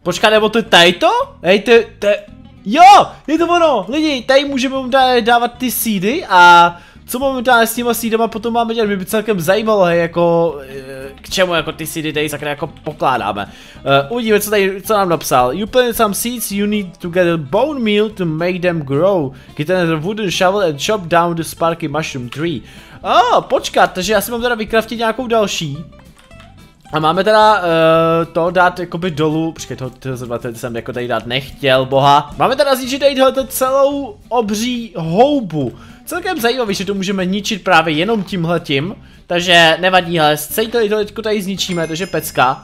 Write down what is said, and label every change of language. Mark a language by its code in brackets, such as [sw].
[cs] Počkat, nebo to je tady to? Hej, to jo, je to ono, lidi, tady můžeme dávat ty seedy a... Co momentálně s těma seedama potom máme dělat, mě by celkem zajímalo, hej, jako k čemu jako ty seedy tady sakra jako pokládáme. Uvidíme, co tady, co nám napsal. [en] You planted some seeds, you need to get a bone meal to make them grow. Get another wooden shovel and chop down the sparky mushroom tree. [cs] Oh, počkat, takže já si mám teda vycraftit nějakou další. A máme teda to dát jakoby dolů, přičkej tohle zrovna jsem jako tady dát nechtěl, boha. Máme teda zničit tady tohle celou obří houbu. Celkem zajímavý, že to můžeme ničit právě jenom tímhletím. Takže nevadí, hele, celý tohle teďko tady zničíme, takže pecka.